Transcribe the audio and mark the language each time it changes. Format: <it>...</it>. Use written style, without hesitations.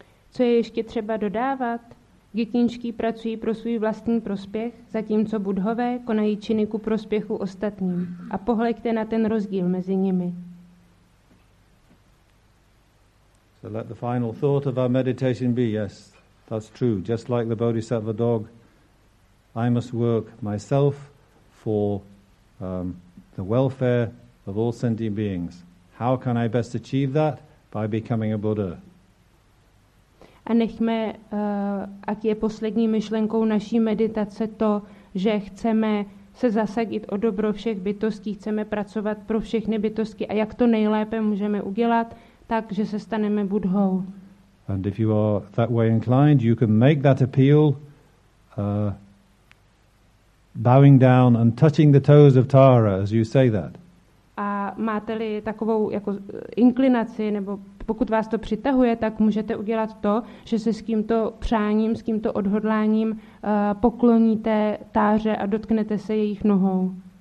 <cs>Co je ještě třeba dodávat? Dětinčky pracují pro svůj vlastní prospěch, zatímco budhové konají činy ku prospěchu ostatním. A pohleďte na ten rozdíl mezi nimi.</cs> <en>So let the final thought of our meditation be, yes, that's true. Just like the bodhisattva dog, I must work myself for the welfare of all sentient beings. How can I best achieve that? By becoming a Buddha.</en> <cs>A nechme, ať je poslední myšlenkou naší meditace to, že chceme se zasadit o dobro všech bytostí, chceme pracovat pro všechny bytosti a jak to nejlépe můžeme udělat, tak, že se staneme Buddhou.</cs> <en>And if you are that way inclined, you can make that appeal bowing down and touching the toes of Tara as you say that.</en> <cs>A máte-li takovou jako inklinaci, nebo pokud vás to přitahuje, tak můžete udělat to, že se s tímto přáním, s tímto odhodláním pokloníte Táře a dotknete se jejich nohou.</cs>